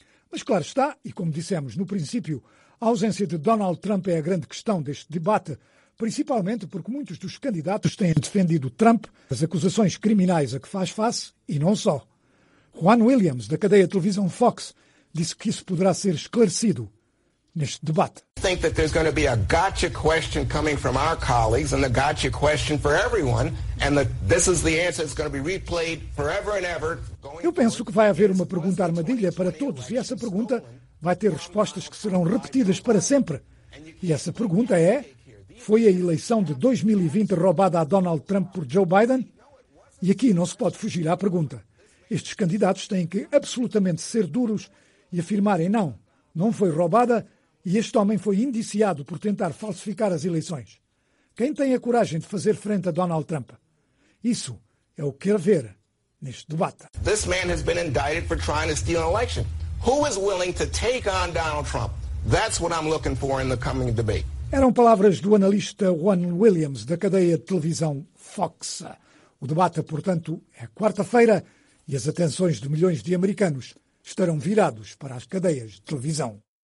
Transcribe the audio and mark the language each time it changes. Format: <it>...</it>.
<pt>Mas claro está, e como dissemos no princípio, a ausência de Donald Trump é a grande questão deste debate, principalmente porque muitos dos candidatos têm defendido Trump, as acusações criminais a que faz face, e não só. Juan Williams, da cadeia de televisão Fox, disse que isso poderá ser esclarecido neste debate.</pt> <en>Think that there's going to be a gotcha question coming from our colleagues and the gotcha question for everyone and that this is the answer that's going to be replayed forever and ever.</en> <pt>Eu penso que vai haver uma pergunta armadilha para todos e essa pergunta vai ter respostas que serão repetidas para sempre. E essa pergunta é: foi a eleição de 2020 roubada a Donald Trump por Joe Biden? E aqui não se pode fugir à pergunta. Estes candidatos têm que absolutamente ser duros e afirmarem não, não foi roubada e este homem foi indiciado por tentar falsificar as eleições. Quem tem a coragem de fazer frente a Donald Trump? Isso é o que quer ver neste debate.</pt> <en>This man has been indicted for trying to steal an election. Who is willing to take on Donald Trump? That's what I'm looking for in the coming debate.</en> <pt>Eram palavras do analista Juan Williams da cadeia de televisão Fox. O debate, portanto, é quarta-feira. E as atenções de milhões de americanos estarão virados para as cadeias de televisão.</pt>